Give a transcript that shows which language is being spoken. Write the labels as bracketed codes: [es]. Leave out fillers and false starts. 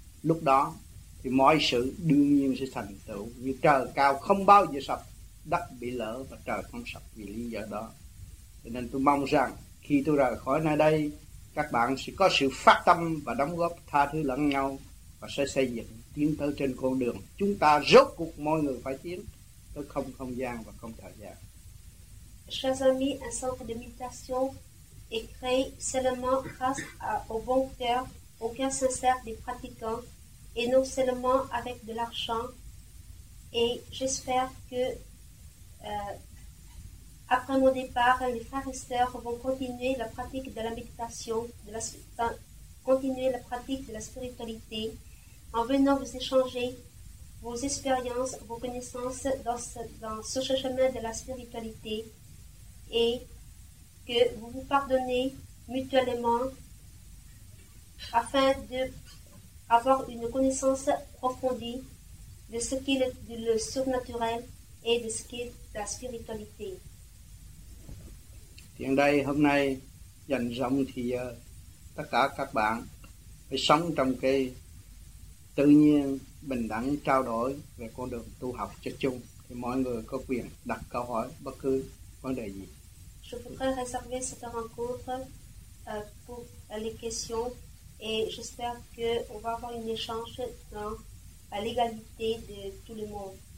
[vi] Lúc đó thì mọi sự đương nhiên sẽ thành tựu, như trời cao không bao giờ sập, đất bị lỡ và trời không sập vì lý do đó. Cho nên tôi mong rằng khi tôi rời khỏi nơi đây, các bạn sẽ có sự phát tâm và đóng góp tha thứ lẫn nhau và sẽ xây dựng tiến tới trên con đường chúng ta rốt cuộc mọi người phải tiến tới không không gian và không thời gian. [fr] Chers amis, un centre de méditation est créé seulement grâce au bon cœur, au cœur sincère des pratiquants et non seulement avec de l'argent. Et j'espère que, après mon départ, les frères et sœurs vont continuer la pratique de la méditation, continuer la pratique de la spiritualité en venant vous échanger vos expériences, vos connaissances dans ce chemin de la spiritualité. Et que vous vous pardonnez mutuellement afin d'avoir une connaissance approfondie de ce qui est le surnaturel et de ce qui est la spiritualité. [vi] Hiện đây, hôm nay, dành rộng thì tất cả các bạn phải sống trong cái tự nhiên bình đẳng trao đổi về con đường tu học cho chung. Thì mọi người có quyền đặt câu hỏi bất cứ vấn đề gì. [fr] Je voudrais réserver cette rencontre pour les questions et j'espère qu'on va avoir un échange dans l'égalité de tout le monde.